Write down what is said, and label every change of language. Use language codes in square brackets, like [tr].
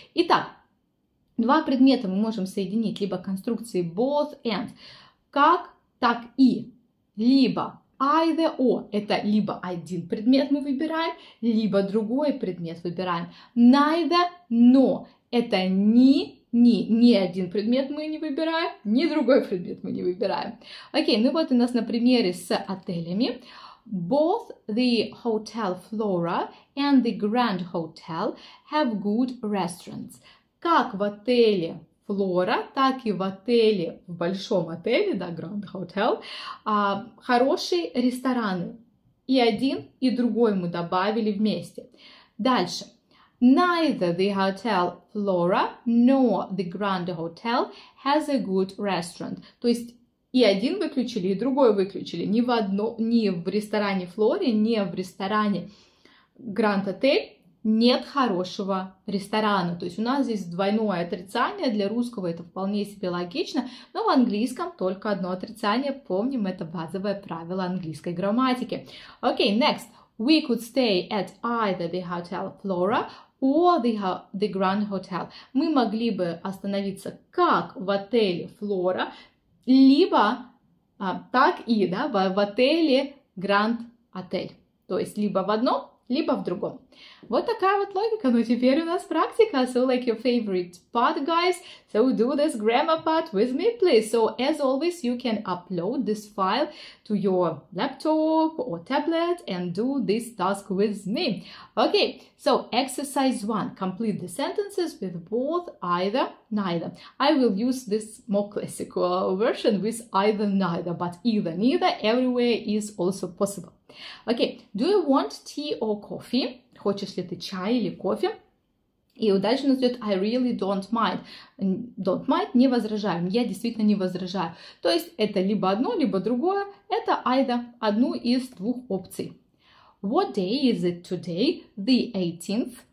[ru] Итак, два предмета мы можем соединить либо конструкции both and, как, так и, либо either or, это либо один предмет мы выбираем, либо другой предмет выбираем, neither, но, это ни один предмет мы не выбираем, ни другой предмет мы не выбираем. Окей, ну вот у нас на примере с отелями. [en] Both the Hotel Flora and the Grand Hotel have good restaurants. [ru] Как в отеле Флора, так и в отеле, в большом отеле, да, Grand Hotel, хорошие рестораны. И один, и другой мы добавили вместе. Дальше. [en] Neither the Hotel Flora nor the Grand Hotel has a good restaurant. [ru] То есть и один выключили, и другой выключили. Ни в ресторане Флоре, ни в ресторане Grand Hotel нет хорошего ресторана. То есть у нас здесь двойное отрицание. Для русского это вполне себе логично, но в английском только одно отрицание. Помним, это базовое правило английской грамматики. Окей, next. [en] We could stay at either the Hotel Flora or the Grand Hotel. [ru] Мы могли бы остановиться как в отеле Flora, либо так и, да, в отеле Grand Hotel. То есть либо в одном, либо в другом. Вот такая вот логика. Ну, теперь у нас практика. [en] So, like your favorite part, guys. So, do this grammar part with me, please. So, as always, you can upload this file to your laptop or tablet and do this task with me. Okay, so, exercise 1. Complete the sentences with both, either, neither. I will use this more classical version with either, neither, but either, neither, everywhere is also possible. Окей, okay. Do you want tea or coffee? [ru] Хочешь ли ты чай или кофе? И дальше у нас идет [en] I really don't mind. [ru] Don't mind, не возражаю, я действительно не возражаю. То есть это либо одно, либо другое, это either, одну из двух опций. [en] What day is it today? The 18th